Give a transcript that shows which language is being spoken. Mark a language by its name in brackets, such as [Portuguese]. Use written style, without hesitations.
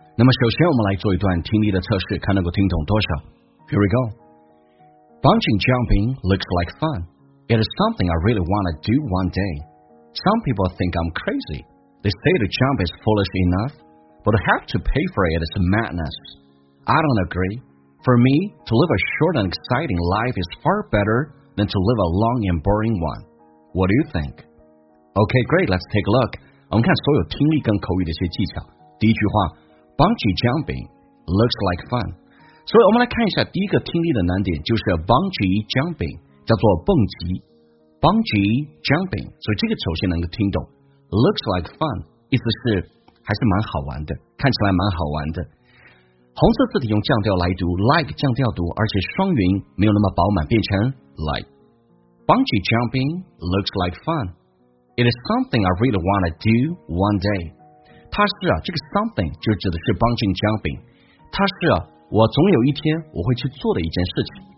[Chinese] 那么首先我们来做一段听力的测试，看能够听懂多少。 [English] Here we go。 Bungee jumping looks like fun. It is something I really want to do one day. Some people think I'm crazy. They say to jump is foolish enough, but to have to pay for it is madness. I don't agree. For me, to live a short and exciting life is far better than to live a long and boring one. What do you think? Okay, great. Let's take a look. [Chinese] 我们看所有听力跟口语的一些技巧。第一句话 [English] ，bungee jumping looks like fun. [Chinese] 所以我们来看一下第一个听力的难点，就是 bungee jumping 叫做蹦极 ，bungee jumping。所以这个首先能够听懂 ， [English] looks like fun， [Chinese] 意思是还是蛮好玩的，看起来蛮好玩的。红色字体用降调来读 ，like 降调读，而且双元没有那么饱满，变成 like。 [English] Bungee jumping looks like fun. It is something I really want to do one day. [Chinese] 它是啊，这个 something 就指的是 bungee jumping. 它是啊，我总有一天我会去做的一件事情。